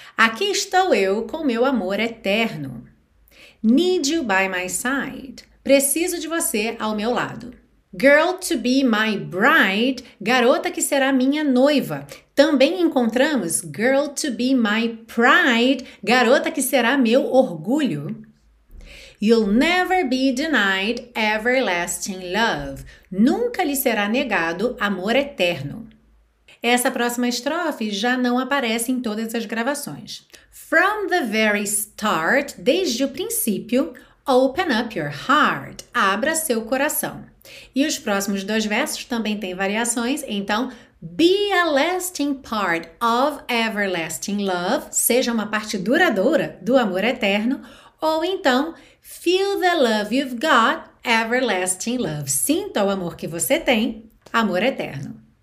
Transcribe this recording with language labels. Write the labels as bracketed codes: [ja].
[pt] Aqui estou eu com meu amor eterno. [en] Need you by my side. [pt] Preciso de você ao meu lado. [en] Girl to be my bride. [pt] Garota que será minha noiva. Também encontramos [en] girl to be my pride. [pt] Garota que será meu orgulho. [en] You'll never be denied everlasting love. [pt] Nunca lhe será negado amor eterno. Essa próxima estrofe já não aparece em todas as gravações. [en] From the very start, [pt] desde o princípio, [en] open up your heart, [pt] abra seu coração. E os próximos dois versos também têm variações, então [en] be a lasting part of everlasting love, [pt] seja uma parte duradoura do amor eterno, ou então [en] feel the love you've got, everlasting love, [pt] sinta o amor que você tem, amor eterno.